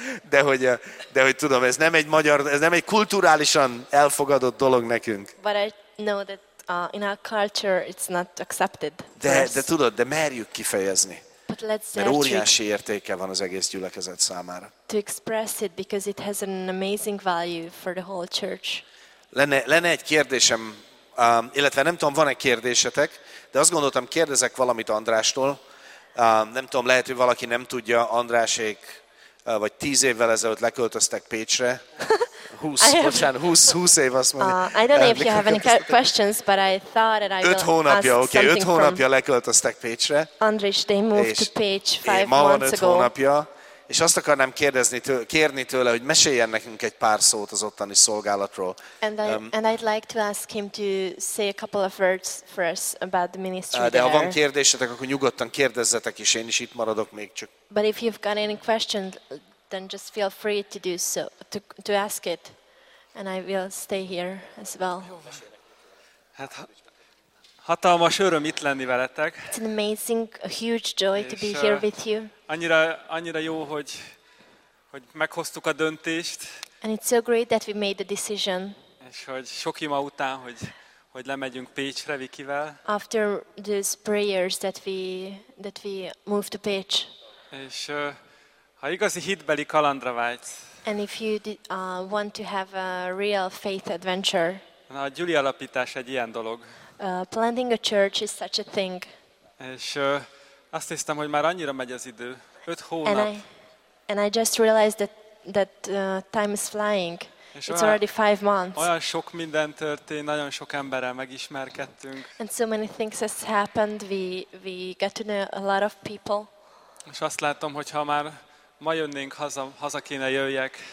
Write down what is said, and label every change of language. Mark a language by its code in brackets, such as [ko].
[hu] De hogy tudom, ez nem egy magyar, ez nem egy kulturálisan elfogadott dolog nekünk. [en] But I know that in our culture it's not accepted. [hu] De tudod, de merjük kifejezni. [en] But let's [hu] mert óriási értéke van az egész gyülekezet számára. [en] To express it because it has an amazing value for the whole church. [hu] Lenne egy kérdésem, illetve nem tudom, van-e kérdésetek, de azt gondoltam, kérdezek valamit Andrástól. Nem tudom, lehet, hogy valaki nem tudja, Andrásék vagy 10 évvel ezelőtt leköltöztek Pécsre. 20 év, azt mondja. [en] I don't know if you have any questions, but I thought that I will [hu] hónapja, [en] ask okay, something [hu] 5 hónapja leköltöztek Pécsre. [en] Andrés, they moved to Pécs 5 ago. [hu] Ma van 5 hónapja. És azt akarnám kérni tőle, hogy meséljen nekünk egy pár szót az ottani szolgálatról. [en] And I'd like to ask him to say a couple of words for us about the ministry there. [hu] De ha van kérdésetek, akkor nyugodtan kérdezzetek, és én is itt maradok még csak. [en] But if you've got any questions, then just feel free to do so, to ask it, and I will stay here as well. [hu] Hát hatalmas öröm itt lenni veletek. [en] It's an amazing, a huge joy to be here with you. [hu] Annyira jó, hogy meghoztuk a döntést. [en] And it's so great that we made the decision. [hu] És hogy sok ima után, hogy lemegyünk Pécsre Vikivel. [en] After these prayers that we moved to Pécs. [hu] És ha igazi hitbeli kalandra vágysz. [en] And if you want to have a real faith adventure. [hu] Na, a Gyuli alapítás egy ilyen dolog. [en] Planting a church is such a thing. [hu] És azt hiszem, hogy már annyira megy az idő. 5 hónap. [en] And I just realized that time is flying. It's already 5 months. [hu] Olyan sok minden történt, nagyon sok emberrel megismerkedtünk. [en] And so many things has happened. We got to know a lot of people. [hu] És azt látom, hogy ha már ma jönnénk haza, haza kéne jöjjek.